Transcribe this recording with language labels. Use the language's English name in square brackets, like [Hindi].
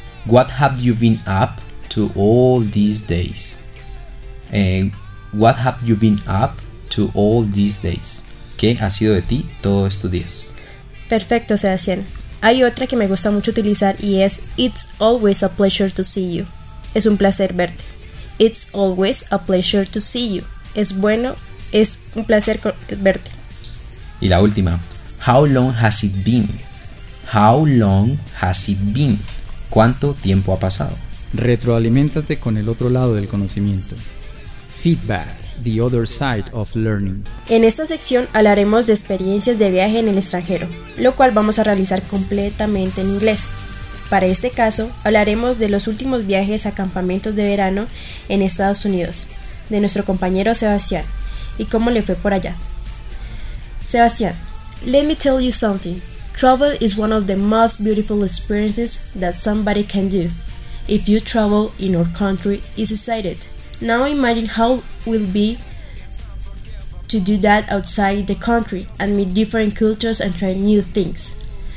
[English] What have you been up to all these days? What have you been up to all these days? [Spanish] ¿Qué ha sido de ti todos estos días? Perfecto, Sebastián. Hay otra que me gusta mucho utilizar y es [English] It's always a pleasure to see you. [Spanish] Es un placer verte. [English] It's always a pleasure to see you. [Spanish] Es un placer verte. Y la última. [English] How long has it been? How long has it been? [Spanish] ¿Cuánto tiempo ha pasado? Retroaliméntate con el otro lado del conocimiento. [English] Feedback, the other side of learning. [Spanish] En esta sección hablaremos de experiencias de viaje en el extranjero, lo cual vamos a realizar completamente en inglés. Para este caso, hablaremos de los últimos viajes a campamentos de verano en Estados Unidos, de nuestro compañero Sebastián, y cómo le fue por allá. [English] Sebastián, let me tell you something. Travel is one of the most beautiful experiences that somebody can do. If you travel in our country, it's excited. Now imagine how will be to do that outside the country and meet different cultures and try new things.